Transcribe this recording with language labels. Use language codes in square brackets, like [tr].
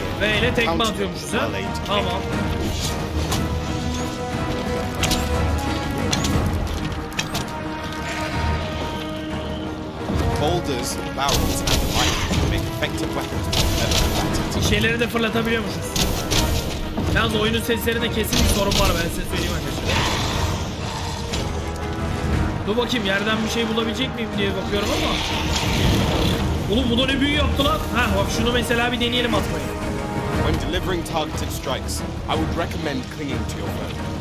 [en] me, count them while they take it. [tr] Tamam. [en] Boulders, barrels, and pipe make effective weapons for the battle. [tr] Şeyleri de fırlatabiliyormuşuz. Yalnız oyunun seslerinde kesin bir sorun var, ben size söyleyeyim arkadaşlar. Dur bakayım, yerden bir şey bulabilecek miyim diye bakıyorum ama. Oğlum bunu ne büyü yaptı lan? Ha bak şunu mesela bir deneyelim atmayı. [en] When delivering targeted strikes, I would recommend clinging to your weapon.